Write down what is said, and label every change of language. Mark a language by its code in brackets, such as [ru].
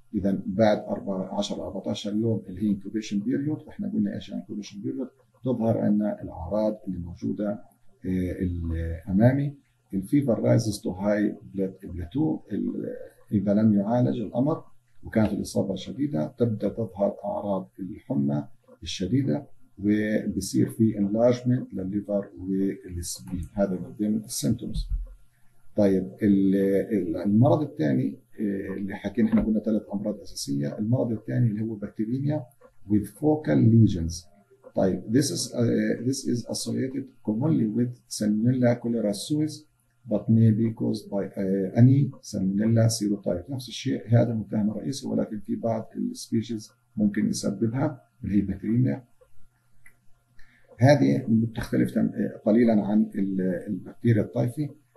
[ar] اذا بعد 14 14 يوم اللي هي انكوبيشن بيريود، احنا قلنا ايش يعني انكوبيشن بيريود، تظهر ان الاعراض اللي موجوده امامي الفيفر رايزز تو هاي بلاتو، اذا لم يعالج الامر وكانت الاصابه شديده تبدا تظهر اعراض الحمى الشديده، وبصير في انلارجمنت للليفر والسبين. هذا من ضمن السيمتومز. طيب المرض الثاني اللي حكينا، احنا قلنا ثلاث امراض اساسيه، المرض الثاني اللي هو بكتيريميا [en] with focal lesions. طيب this is associated commonly with salmonella cholera suis but may be caused by any salmonella serotype. [ar] نفس الشيء، هذا المتهم الرئيسي، ولكن في بعض السبيشيز ممكن يسببها اللي هي بكتيريميا. هذه بتختلف قليلا عن البكتيريا الطائفي.